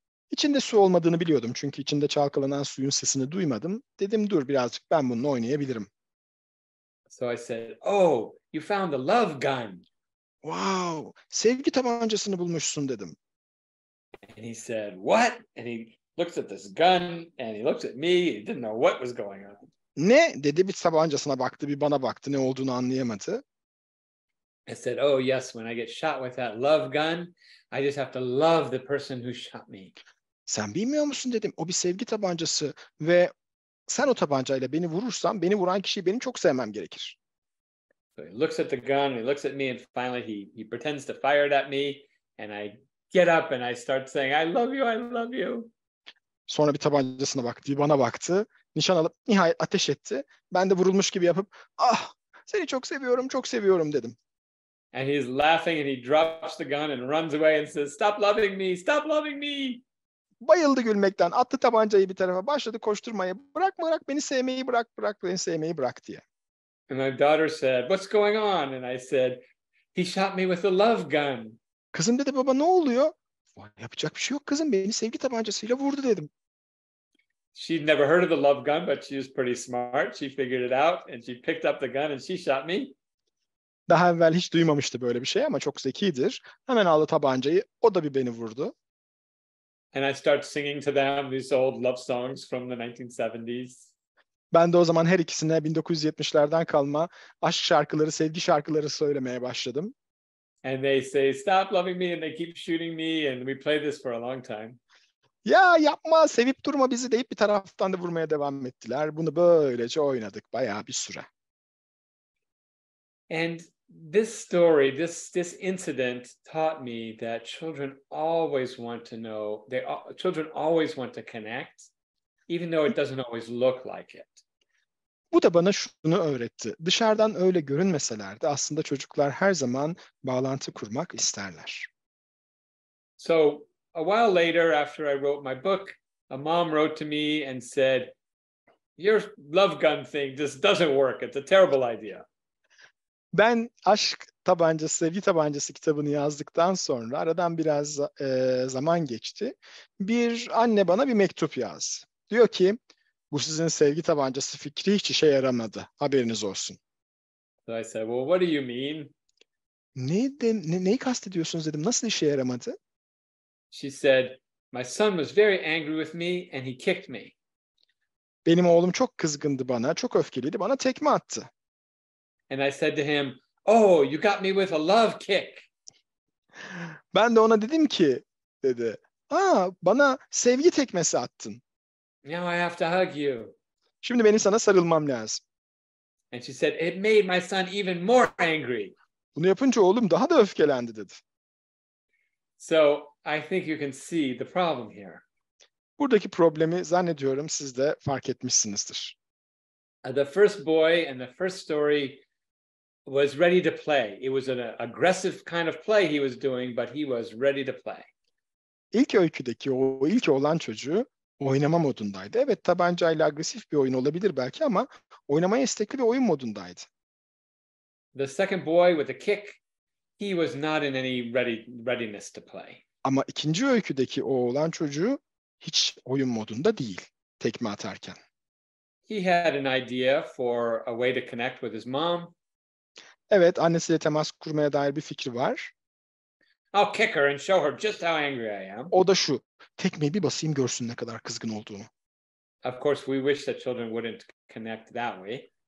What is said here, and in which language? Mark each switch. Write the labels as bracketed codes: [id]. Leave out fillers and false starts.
[tr] İçinde su olmadığını biliyordum çünkü içinde çalkalanan suyun sesini duymadım. Dedim dur birazcık ben bununla oynayabilirim. [en] So I said, oh, you found the love gun. [tr] Wow, sevgi tabancasını bulmuşsun dedim. [en] And he said, what? And he looks at this gun and he looks at me. He didn't know what was going on. [tr] Ne? Dedi bir tabancasına baktı, bir bana baktı. Ne olduğunu anlayamadı. [en] I said, oh yes, when I get shot with that love gun, I just have to love the person who shot me. [tr] Sen bilmiyor musun dedim. O bir sevgi tabancası ve sen o tabancayla beni vurursan, beni vuran kişiyi benim çok sevmem gerekir. [en] So he looks at the gun, he looks at me, and finally he pretends to fire it at me, and I get up and I start saying, I love you, I love you. [tr] Sonra bir tabancasına baktı, bir bana baktı, nişan alıp nihayet ateş etti. Ben de vurulmuş gibi yapıp, ah, seni çok seviyorum, çok seviyorum dedim. [en] And he's laughing and he drops the gun and runs away and says, stop loving me, stop loving me. [tr] Bayıldı gülmekten, attı tabancayı bir tarafa, başladı koşturmaya, bırak bırak beni sevmeyi bırak, bırak beni sevmeyi bırak diye. [en] And my daughter said, what's going on? And I said, he shot me with a love gun. [tr] Kızım dedi, baba ne oluyor? Yapacak bir şey yok kızım, beni sevgi tabancasıyla vurdu dedim. [en] She'd never heard of the love gun, but she was pretty smart. She figured it out and she picked up the gun and she shot me. [tr] Daha evvel hiç duymamıştı böyle bir şey ama çok zekidir. Hemen aldı tabancayı, o da bir beni vurdu. [en] And I start singing to them these old love songs from the 1970s. [tr] Ben de o zaman her ikisine 1970'lerden kalma aşk şarkıları, sevgi şarkıları söylemeye başladım. [en] And they say stop loving me and they keep shooting me and we play this for a long time. [tr] Ya yapma, sevip durma bizi deyip bir taraftan da vurmaya devam ettiler. Bunu böylece oynadık bayağı bir süre. [en] And this story, this incident taught me that children always want to know, children always want to connect. Even though it doesn't always look like it. [tr] Bu da bana şunu öğretti. Dışarıdan öyle görünmeseler de aslında çocuklar her zaman bağlantı kurmak isterler. [en] So a while later after I wrote my book, a mom wrote to me and said, your love gun thing just doesn't work. It's a terrible idea. [tr] Ben aşk tabancası, sevgi tabancası kitabını yazdıktan sonra aradan biraz zaman geçti. Bir anne bana bir mektup yazdı. Diyor ki, bu sizin sevgi tabancası fikri hiç işe yaramadı. Haberiniz olsun. [en] So I said, well, what do you mean? [tr] Neyi kastediyorsunuz dedim. Nasıl işe yaramadı? [en] She said, my son was very angry with me and he kicked me. [tr] Benim oğlum çok kızgındı bana, çok öfkeliydi. Bana tekme attı. [en] And I said to him, oh, you got me with a love kick. [tr] Ben de ona dedim ki, dedi, aa, bana sevgi tekmesi attın. [en] Now I have to hug you. [tr] Şimdi benim sana sarılmam lazım. [en] And she said, it made my son even more angry. [tr] Bunu yapınca oğlum daha da öfkelendi, dedi. [en] So I think you can see the problem here. [tr] Buradaki problemi zannediyorum siz de fark etmişsinizdir. [en] The first boy and the first story was ready to play. It was an aggressive kind of play he was doing, but he was ready to play. [tr] İlk öyküdeki o ilk oğlan çocuğu oynama modundaydı. Evet, tabancayla agresif bir oyun olabilir belki ama oynamaya istekli bir oyun modundaydı. [en] The second boy with the kick, he was not in any readiness to play. [tr] Ama ikinci öyküdeki o oğlan çocuğu hiç oyun modunda değil tekme atarken. [en] He had an idea for a way to connect with his mom. [tr] Evet, annesiyle temas kurmaya dair bir fikri var. [en] I'll kick her and show her just how angry I am. [tr] O da şu, tekmeyi bir basayım görsün ne kadar kızgın olduğumu. [en] Of course we wish that children wouldn't connect that way.